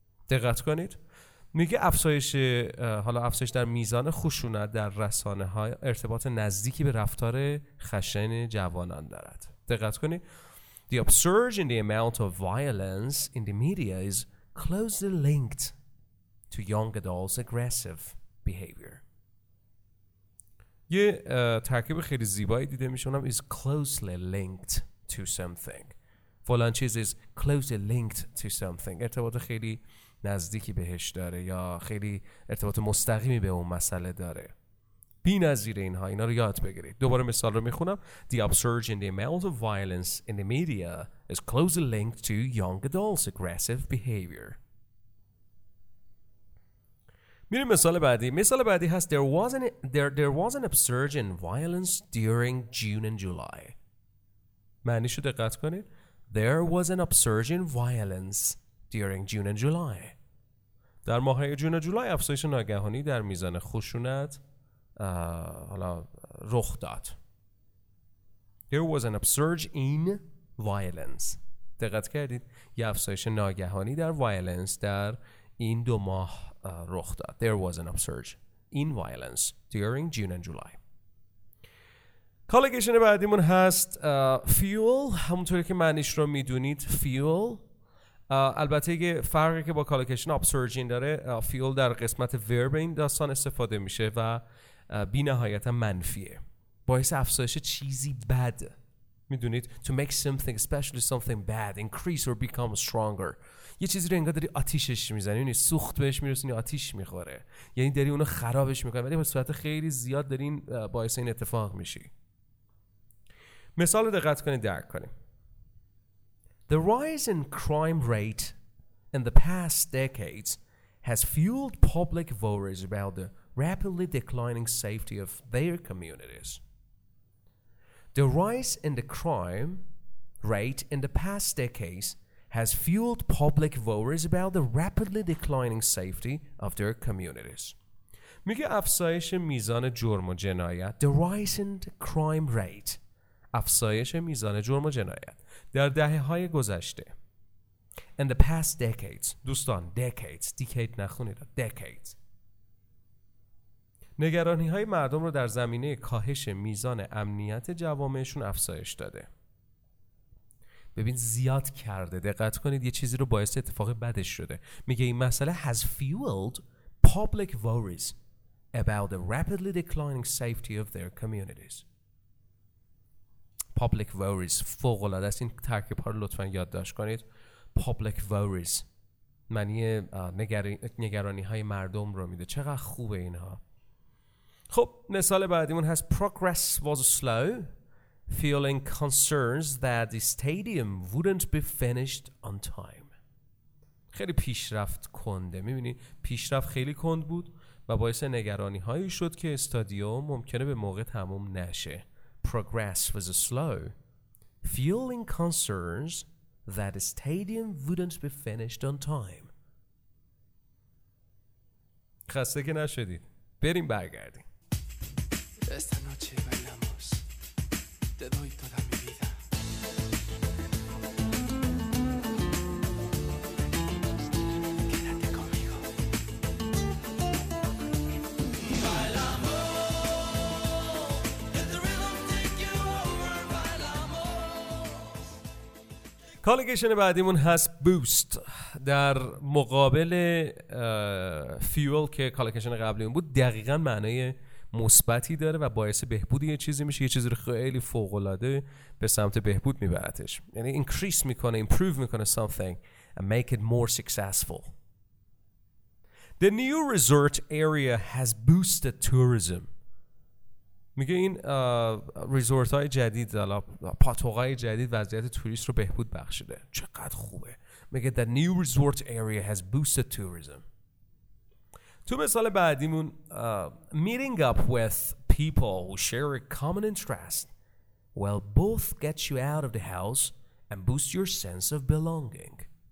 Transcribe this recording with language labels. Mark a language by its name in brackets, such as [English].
[Persian] دقت کنید، میگه افزایش حالا افزایش در میزان خشونت در رسانه های ارتباط نزدیکی به رفتار خشن جوانان دارد. دقت کنید، [English] the upsurge in the amount of violence in the media is closely linked to young adults' aggressive behavior. [Persian] یه ترکیب خیلی زیبایی دیده میشه، اونم [English] is closely linked to something. [Persian] فلان چیز [English] is closely linked to something. [Persian] ارتباط خیلی نزدیکی بهش داره یا خیلی ارتباط مستقیمی به اون مسئله داره. بی نظیر اینها، اینا رو یاد بگیرید. دوباره مثال رو میخونم. [English] The upsurge in the amount of violence in the media is closely linked to young adults' aggressive behavior. [Persian] میریم مثال بعدی. مثال بعدی هست [English] there was an upsurge in violence during June and July. [Persian] معنیشو دقت کنید. [English] There was an upsurge in violence during June and July. [Persian] در ماهای جون و جولای افزایش ناگهانی در میزان خشونت حالا رخ داد. [English] There was an upsurge in violence. [Persian] دقت کردید؟ یه افزایش ناگهانی در وایلنس در این دو ماه رخ داد. [English] There was an upsurge in violence during June and July. [Persian] کالکیشن بعدیمون هست fuel. همونطوری که معنیش رو میدونید fuel، البته یه فرقی که با کالکیشن upsurge in داره، fuel در قسمت verb این داستان استفاده میشه و بی نهایتا منفیه، باعث افزایش چیزی بد میدونید، [English] to make something especially something bad increase or become stronger. [Persian] یه چیزی رو انگار داری آتیشش میزنی، یعنی سوخت بهش میرسونی، آتیش میخوره، یعنی داری اونو خرابش میکنی، ولی به صورت خیلی زیاد داری باعث این اتفاق میشی. مثال رو دقت کنید درک کنید. [English] The rise in crime rate in the past decades has fueled public worries about the rapidly declining safety of their communities. The rise in the crime rate in the past decades has fueled public worries about the rapidly declining safety of their communities. [Persian] میگه افزایش میزان جرم و جنایت, [English] the rise in the crime rate, [Persian] افزایش میزان جرم و جنایت در دهه های گذشته, [English] in the past decades, [Persian] دوستان decades, decade نخونید, decades, نگرانی های مردم رو در زمینه کاهش میزان امنیت جوامعشون افزایش داده. ببین زیاد کرده, دقت کنید, یه چیزی رو باعث اتفاق بدش شده. میگه این مسئله [English] has fueled public worries about the rapidly declining safety of their communities. Public worries, [Persian] فوق العاده است. این ترکیب ها رو لطفا یادداشت کنید. [English] Public worries [Persian] معنی نگرانی های مردم رو میده. چقدر خوبه اینها. خب مثال بعدیمون هست, [English] progress was slow, fueling concerns that the stadium wouldn't be finished on time. [Persian] خیلی پیشرفت کنده, میبینی پیشرفت خیلی کند بود و باعث نگرانی هایی شد که استادیوم ممکنه به موقع تموم نشه. [English] Progress was slow, fueling concerns that the stadium wouldn't be finished on time. [Persian] خسته که نشدید, بریم برگردیم. [Spanish] Esta noche bailamos, te doy toda mi vida. Quédate conmigo. [English] Bailamo, let the rhythm take you over, bailamo. [Persian] کالیگیشن بعدیمون هست بوست. در مقابل فیول که کالیگیشن قبلیمون بود, دقیقا معنای مثبتی داره و باعث بهبود یه چیزی میشه, یه چیزی رو خیلی فوق‌العاده به سمت بهبود میبرتش, یعنی increase میکنه, improve میکنه [English] something and make it more successful. The new resort area has boosted tourism. [Persian] میگه این ریزورت های جدید, پاتوق های جدید وضعیت توریست رو بهبود بخشیده. چقدر خوبه. [English] میگه the new resort area has boosted tourism. [Persian] تو مثال بعدیمون, [English] meeting up with people who share a common interest will both get you out of the house and boost your sense of belonging.